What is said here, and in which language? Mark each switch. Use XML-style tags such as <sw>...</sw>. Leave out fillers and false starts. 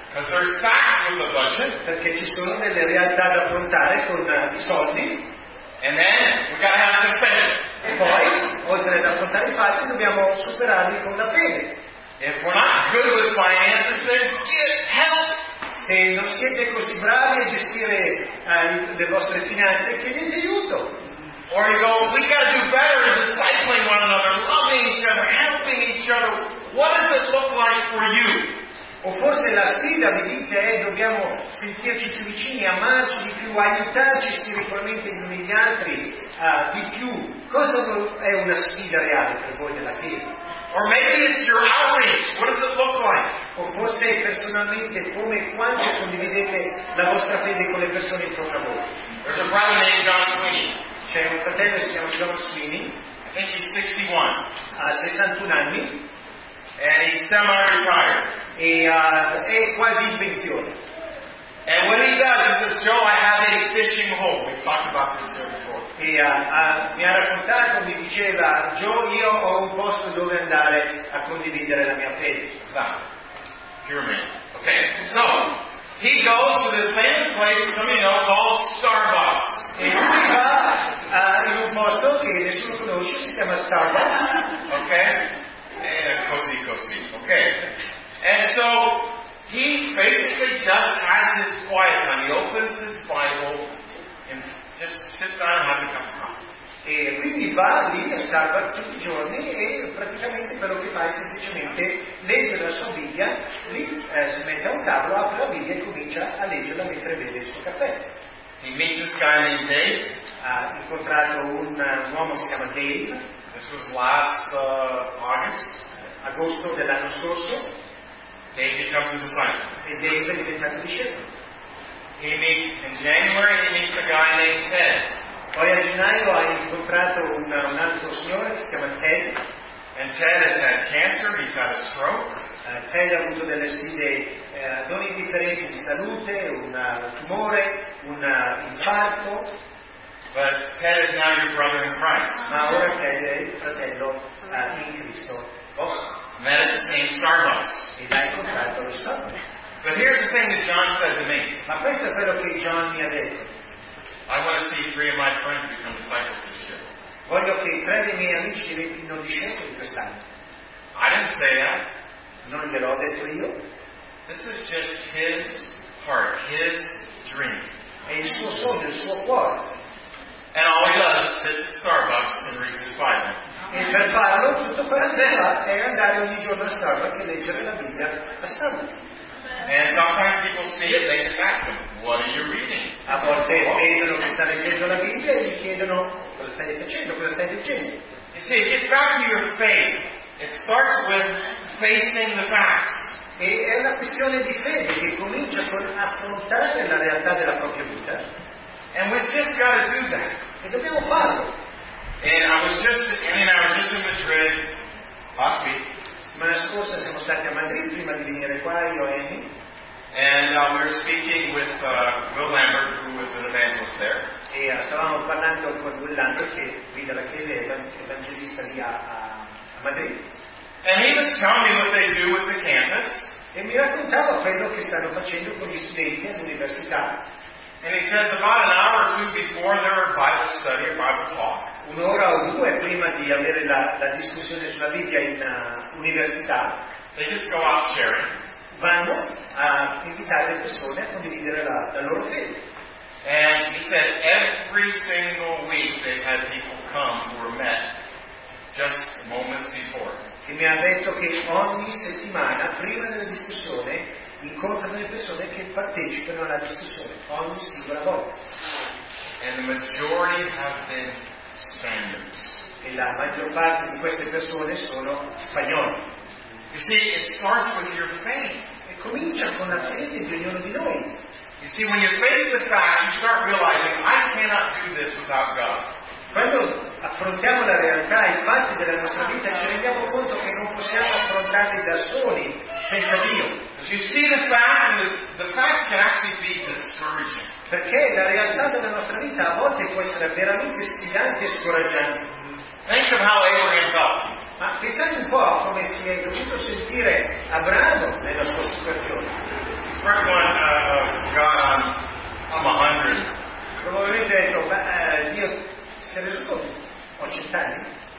<en>Because there's facts with the budget.</en> <it>Perché ci sono delle realtà da affrontare con i soldi.</it> <en>And then we gotta have the faith.</en> <it>E poi, oltre ad affrontare i fatti, dobbiamo superarli con la fede.</it> <en>If we're not good with finances, then get help.</en> <it>Se non siete così bravi a gestire le vostre finanze, chiedete aiuto.</it> <en>Or you go, we gotta do better in discipling one another, loving. loving each other, helping each other. What does it look like for you?</en> <it>O forse la sfida di vita è dobbiamo sentirci più vicini, amarci di più, aiutarci spiritualmente gli uni gli altri di più. Cosa è una sfida reale per voi nella Chiesa?</it> <en>Or maybe it's your outreach. What does it look like?</en> <it>O forse personalmente come quando condividete la vostra fede con le persone intorno a voi?</it> <en>There's a brother named John Sweeney.</en> <it>C'è un fratello che si chiama John Sweeney.</it> <en>I think he's 61.</en> <it>Ha 61 anni.</it> <en>And he's semi-retired.</en> <it>E è quasi in pensione.</it> <en>And what he does is says, Joe, I have a fishing hole. We've talked about this here before.</en> <it>E mi ha raccontato, mi diceva, Joe, io ho un posto dove andare a condividere la mia fede. Esatto. Pyramid. Okay.</it> <en>So he goes to this famous place, some of you know, called Starbucks.</en> <it>E lui va in un posto che nessuno conosce, si chiama Starbucks. Okay. Così, così. Okay.</it> <en>And so he basically just has his quiet time. He opens his Bible and just sits down and has a cup of coffee.</en> <it>E quindi va lì a Starbucks tutti i giorni e praticamente quello che fa è semplicemente leggere la sua Bibbia, lì si mette a un tavolo, apre la Bibbia e comincia a leggerla mentre beve il suo caffè.</it> <en>He meets this guy named Dave.</en> <it>Ha incontrato un uomo che si chiama Dave.</it> <en>This was last August.</en> <it>Agosto dell'anno scorso.</it> <en>Dave becomes a disciple.</en> <it>E Dave è diventato discepolo.</it> <en>He meets in January. He meets a guy named Ted.</en> <it>Poi a gennaio ha incontrato un altro signore che si chiama Ted.</it> <en>And Ted has had cancer. He's had a stroke.</en> <it>Ted ha avuto delle sfide non indifferenti di salute, un tumore, un infarto.</it> <en>But Ted is now your brother in Christ.</en> <it>Ma ora Ted è il fratello in Cristo.</it> <en>Oh. Met at the same Starbucks.</en> <it>Ed ha incontrato lo Starbucks.</it> <en>But here's the thing that John said to me.</en> <it>Ma questo è quello che John mi ha detto.</it> <en>I want to see three of my friends become disciples this year.</en> <it>Voglio che tre dei miei amici diventino discepoli quest'anno.</it> <en>I didn't say that.</en> <it>Non glielo ho detto io.</it> <en>This is just his heart, his dream.</en> <it>È il suo sogno, il suo cuore.</it> <en>And all he does is sit at Starbucks and read his Bible.</en> <it>E per farlo tutto quello che fa è andare ogni giorno a Starbucks e leggere la Bibbia a Starbucks.</it> <en>And sometimes people see it, they just ask him, what are you reading?</en> <it>A volte vedono che sta leggendo la Bibbia e gli chiedono cosa stai facendo, cosa stai leggendo.</it> <en>You see, it gets back to your faith. It starts with facing the facts.</en> <it>E è una questione di fede che comincia con affrontare la realtà della propria vita.</it> <en>And we've just got to do that.</en> <it>E dobbiamo farlo.</it> <en>And I was just in Madrid last week.</en> <it>Settimana scorsa siamo stati a Madrid prima di venire qua io e Amy.</it> <en>And we were speaking with Will Lambert, who was an evangelist there.</en> <it>E stavamo parlando con Will Lambert che guida la chiesa evangelista lì a Madrid.</it> <en>And he was telling me what they do with the campus.</en> <it>E mi raccontava quello che stanno facendo con gli studenti all'università.</it> <en>And he says about an hour or two before their Bible study or Bible talk.</en> <it>Un'ora o due prima di avere la discussione sulla Bibbia in università.</it> <en>They just go out sharing.</en> <it>Vanno a invitare le persone a condividere la loro fede.</it> <en>And he said every single week they had people come who were met just moments before.</en> <it>E mi ha detto che ogni settimana prima della discussione incontrano le persone che partecipano alla discussione ogni singola volta.</it> <en>And the majority have been Spaniards.</en> <it>E la maggior parte di queste persone sono spagnoli.</it> <en>You see, it starts with your faith.</en> <it>E comincia con la fede di ognuno di noi.</it> <en>You see, when you face the facts, you start realizing I cannot do this without God.</en> <it>Quando affrontiamo la realtà, i fatti della nostra vita, ci rendiamo conto che non possiamo affrontarli da soli senza Dio.</it> <en>You see the fact, and the facts can actually be discouraging.</en> <it>Perché la realtà della nostra vita a volte può essere veramente sfidante e scoraggiante.</it> <en>Think of how Abraham felt.</en> <it>Ma pensate un po' a come si è dovuto sentire Abramo nella sua situazione. Probabilmente ha detto, ma Dio si è reso conto, ho 100 anni.</it>